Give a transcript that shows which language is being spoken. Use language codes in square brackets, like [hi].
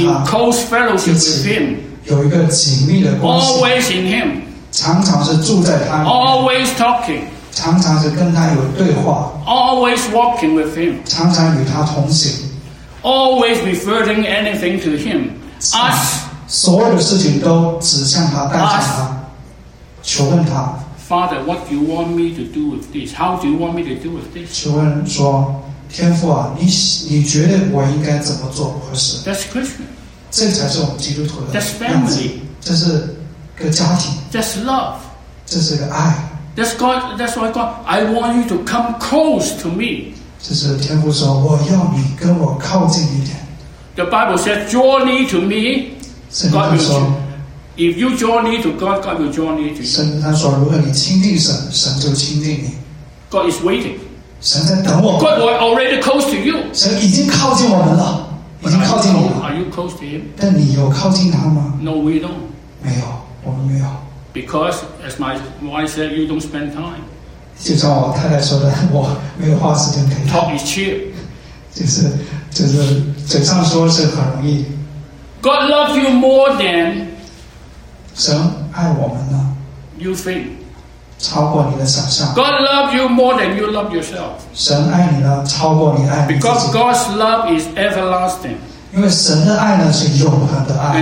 [en] in close fellowship with him， [zh] 有一个紧密的关系 [en] always in him， [zh] 常常是住在他里面 [en] always talking， [zh] 常常是跟他有对话 [en] always walking with him， [zh] 常常与他同行 [en] always referring anything to him， us [zh] 所有的事情都指向他，带向他， [en] Ask, [zh] 求问他。 [en] Father, what do you want me to do with this? How do you want me to do with this? [zh] 求问说，天父啊，你觉得我应该怎么做合适 [en] ？That's Christian. [zh] 这才是我们基督徒的样子。 [en] That's family. [zh] 这是个家庭。 [en] That's love. [zh] 这是个爱。 [en] That's God. That's why God. I want you to come close to me. [zh] 这是天父说，我要你跟我靠近一点。 [en] The Bible says, draw near to me. God will say, "If you draw near to God, God will draw near to you." [zh] 神他说，如果你亲近神，神就亲近你。 [en] God is waiting. [zh] 神在等我。 [en] God was already close to you. [zh] 神已经靠近我们了，已经靠近你了。 [en] Are you close to him? [zh] 但你有靠近他吗 [en] ？No, we don't. [zh] 没有，我们没有。 [en] Because as my wife said, you don't spend time. [zh] 就像我太太说的，我没有花时间陪他。 [en] Talk is cheap. [zh] 就是嘴上说是很容易。 [en] God loves you more than [zh] 神爱我们呢 [en] you think [zh] 超过你的想象 [en] God loves you more than you love yourself [zh] 神爱你呢超过你爱你自己 [en] because God's love is everlasting [zh] 因为神的爱呢是永恒的爱